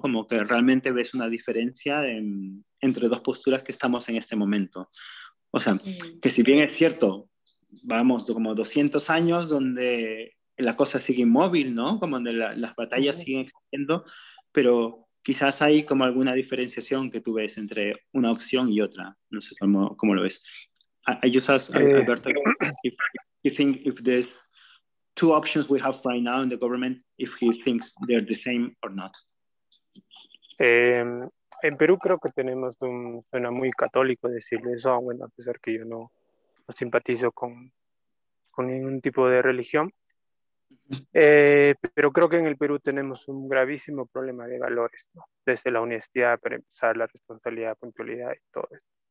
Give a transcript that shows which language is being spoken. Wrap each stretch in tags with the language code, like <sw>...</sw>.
<es>Como que realmente ves una diferencia entre dos posturas que estamos en este momento. O sea, que si bien es cierto, vamos como 200 años donde la cosa sigue inmóvil, ¿no? Como donde las batallas siguen existiendo, pero quizás hay como alguna diferenciación que tú ves entre una opción y otra. No sé cómo lo ves.</es> <en>I just asked Alberto, if you think if there's two options we have right now in the government, if he thinks they're the same or not.</en> <es>en Perú creo que tenemos un suena muy católico decirle eso, bueno, a pesar que yo no simpatizo con ningún tipo de religión. Pero creo que en el Perú tenemos un gravísimo problema de valores, ¿no? Desde la honestidad para empezar, la responsabilidad, puntualidad y todo esto.</es>